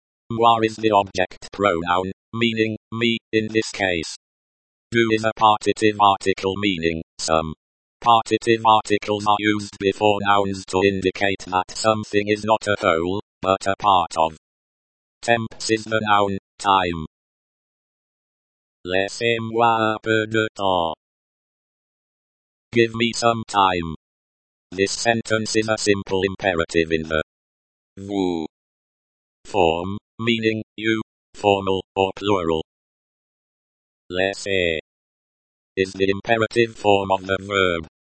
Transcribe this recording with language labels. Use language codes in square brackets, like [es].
[en] Moi is the object pronoun, meaning me, in this case. Du is a partitive article meaning some. Partitive articles are used before nouns to indicate that something is not a whole, but a part of. Temps is the noun, time. [fr] Laissez-moi un peu de temps. [en] Give me some time. This sentence is a simple imperative in the [fr] vous [en] form, meaning you, formal, or plural. [fr] Laissez [en] is the imperative form of the verb.